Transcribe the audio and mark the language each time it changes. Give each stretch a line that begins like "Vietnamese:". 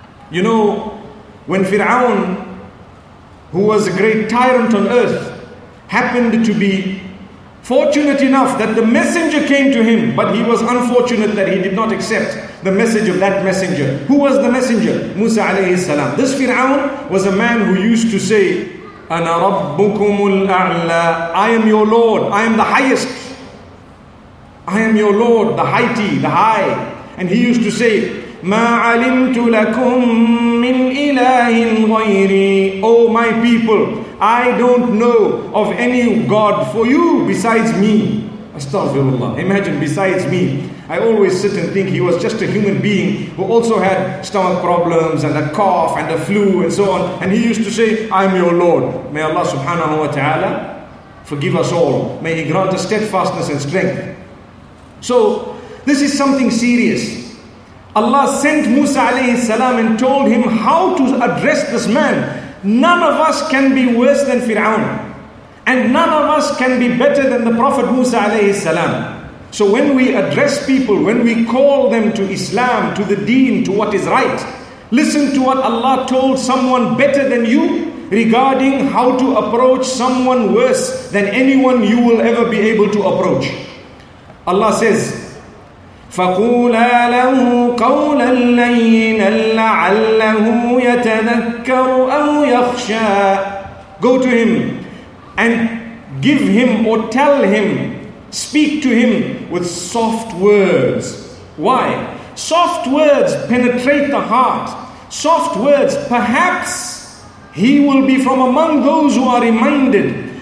English: You know, when Fir'aun, who was a great tyrant on earth, happened to be fortunate enough that the messenger came to him, but he was unfortunate that he did not accept the message of that messenger. Who was the messenger? Musa alayhi salam. This Fir'aun was a man who used to say,
Arabic: أَنَا رَبُّكُمُ الْأَعْلَىٰ.
English: I am your Lord, I am the highest. I am your Lord, the Highty, the High. And he used to say,
Arabic: مَا عَلِمْتُ لَكُمْ مِنْ إِلَٰهٍ غَيْرِي.
English: Oh my people, I don't know of any God for you besides me. Astaghfirullah. Imagine, besides me. I always sit and think he was just a human being who also had stomach problems and a cough and a flu and so on. And he used to say, I'm your Lord. May Allah subhanahu wa ta'ala forgive us all. May He grant us steadfastness and strength. So, this is something serious. Allah sent Musa alayhi salam and told him how to address this man. None of us can be worse than Fir'aun. And none of us can be better than the Prophet Musa alayhi salam. So when we address people, when we call them to Islam, to the deen, to what is right, listen to what Allah told someone better than you regarding how to approach someone worse than anyone you will ever be able to approach. Allah says,
Arabic: فَقُولَا لَهُ قَوْلًا لَيِّنًا لَعَلَّهُ يَتَذَكَّرُ أَوْ يَخْشَىٰ.
English: Go to him and give him or tell him, speak to him with soft words. Why? Soft words penetrate the heart. Soft words, perhaps he will be from among those who are reminded.